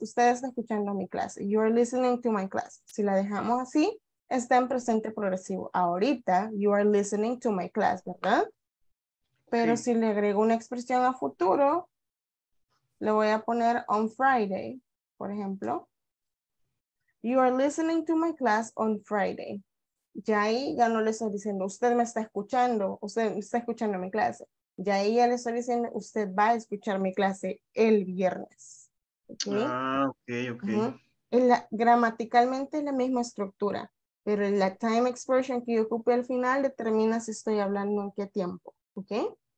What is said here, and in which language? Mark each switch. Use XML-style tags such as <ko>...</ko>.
<es>Ustedes están escuchando mi clase.</es> <en>You are listening to my class.</en> <es>Si la dejamos así, está en presente progresivo. Ahorita,</es> <en>you are listening to my class,</en> <es>¿verdad? Pero sí. Si le agrego una expresión a futuro, le voy a poner</es> <en>on Friday,</en> <es>por ejemplo.</es> <en>You are listening to my class on Friday.</en> <es>Ya ahí ya no le estoy diciendo, usted está escuchando mi clase. Ya ahí ya le estoy diciendo, usted va a escuchar mi clase el viernes. Okay. Uh-huh. En la, gramaticalmente es la misma estructura, pero la</es> <en>time expression</en> <es>que yo ocupe al final determina si estoy hablando en qué tiempo, ¿ok?</es>